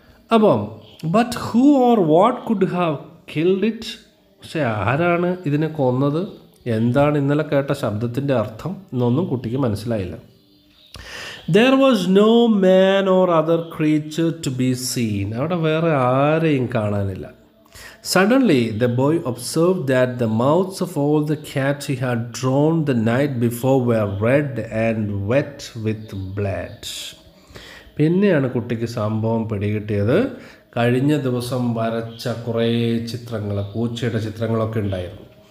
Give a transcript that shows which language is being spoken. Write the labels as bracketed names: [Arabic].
[English] അപ്പം but who or what could have killed it. [Malayalam] പക്ഷേ ആരാണ് ഇതിനെ കൊന്നത്? എന്താണ് ഇന്നലെ കേട്ട ശബ്ദത്തിൻ്റെ അർത്ഥം എന്നൊന്നും കുട്ടിക്ക് മനസ്സിലായില്ല. [English] There was no man or other creature to be seen. [Malayalam] അവിടെ വേറെ ആരെയും കാണാനില്ല. [English] Suddenly, the boy observed that the mouths of all the cats he had drawn the night before were red and wet with blood. [Malayalam] പിന്നെയാണ് കുട്ടിക്ക് സംഭവം പിടികിട്ടിയത്. കഴിഞ്ഞ ദിവസം വരച്ച കുറേ ചിത്രങ്ങൾ, പൂച്ചയുടെ ചിത്രങ്ങളൊക്കെ ഉണ്ടായിരുന്നു.